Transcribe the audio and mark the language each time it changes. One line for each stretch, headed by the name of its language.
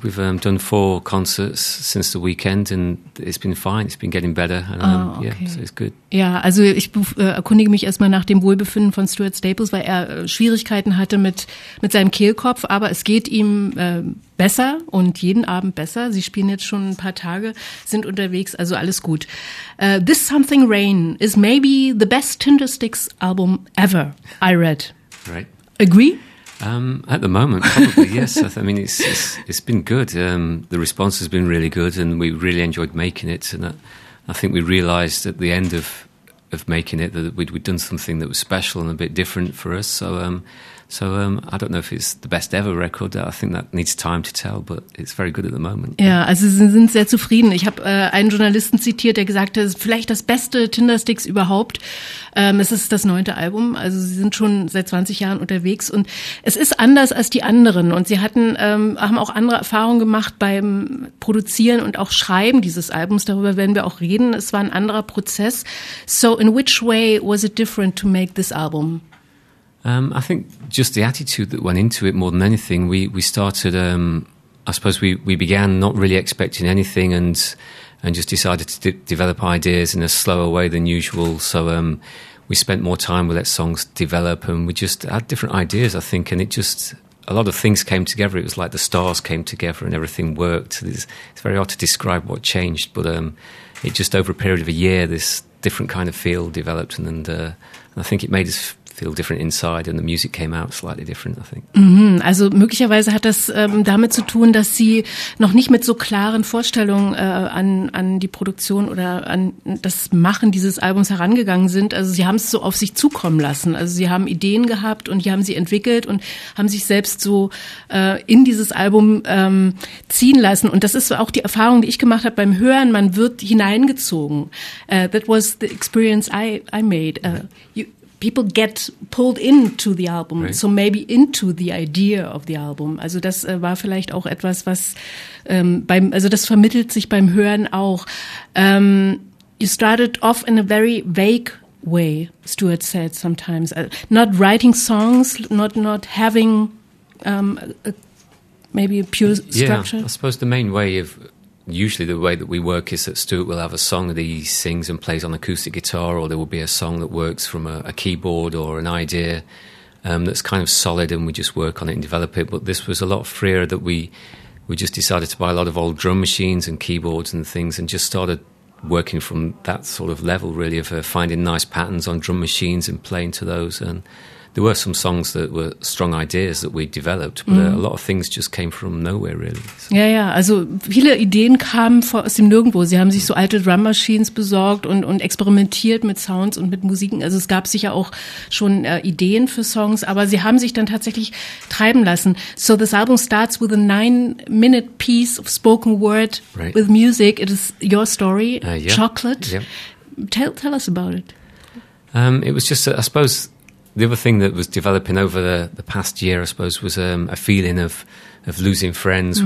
English: We've done 4 concerts since the weekend and it's been fine. It's been getting better. And, oh, okay. Yeah, so it's good.
German: Ja, also ich erkundige mich erstmal nach dem Wohlbefinden von Stuart Staples, weil er Schwierigkeiten hatte mit seinem Kehlkopf, aber es geht ihm besser und jeden Abend besser. Sie spielen jetzt schon ein paar Tage, sind unterwegs, also alles gut.
English: This Something Rain is maybe the best Tindersticks album ever, I read. Right. Agree? At the moment, probably, yes. I mean, it's been good. The response has been really good and we really enjoyed making it. And I think we realized at the end of making it that we'd done something that was special and a bit different for us. So I don't know if it's the best ever record. I think that needs time to tell, but it's very good at the moment.
German: Ja, also Sie sind sehr zufrieden. Ich habe einen Journalisten zitiert, der gesagt hat, es ist vielleicht das beste Tindersticks überhaupt. Es ist das 9. Album. Also Sie sind schon seit 20 Jahren unterwegs und es ist anders als die anderen. Und Sie haben auch andere Erfahrungen gemacht beim Produzieren und auch Schreiben dieses Albums. Darüber werden wir auch reden. Es war ein anderer Prozess.
English: So in which way was it different to make this album? I think just the attitude that went into it more than anything, we started, I suppose we began not really expecting anything and just decided to develop ideas in a slower way than usual. So we spent more time, we let songs develop and we just had different ideas, I think, and it just, a lot of things came together. It was like the stars came together and everything worked. It's very hard to describe what changed, but it just over a period of a year, this different kind of feel developed and I think it made us feel different inside and the music came out slightly different, I think. Mm-hmm.
German: Also möglicherweise hat das damit zu tun, dass Sie noch nicht mit so klaren Vorstellungen an die Produktion oder an das Machen dieses Albums herangegangen sind. Also Sie haben es so auf sich zukommen lassen. Also Sie haben Ideen gehabt und die haben Sie entwickelt und haben sich selbst so in dieses Album ziehen lassen. Und das ist auch die Erfahrung, die ich gemacht habe beim Hören. Man wird hineingezogen.
English: That was the experience I made. People get pulled into the album, right. So maybe into the idea of the album.
German: Also das war vielleicht auch etwas, was das vermittelt sich beim Hören auch.
English: You started off in a very vague way, Stuart said sometimes. Not writing songs, not having a pure structure. Yeah, I suppose the main way of, usually the way that we work is that Stuart will have a song that he sings and plays on acoustic guitar, or there will be a song that works from a keyboard or an idea that's kind of solid and we just work on it and develop it. But this was a lot freer that we just decided to buy a lot of old drum machines and keyboards and things and just started working from that sort of level, really, of finding nice patterns on drum machines and playing to those. And there were some songs that were strong ideas that we developed, but a lot of things just came from nowhere, really. So.
German: Ja, ja, also viele Ideen kamen aus dem Nirgendwo. Sie haben sich so alte Drum Machines besorgt und experimentiert mit Sounds und mit Musiken. Also es gab sicher auch schon Ideen für Songs, aber sie haben sich dann tatsächlich treiben lassen.
English: So this album starts with a 9-minute piece of spoken word, right, with music. It is your story, yeah. Chocolate. Yeah. Tell us about it. It was just, I suppose, the other thing that was developing over the past year, I suppose, was a feeling of losing friends. Mm.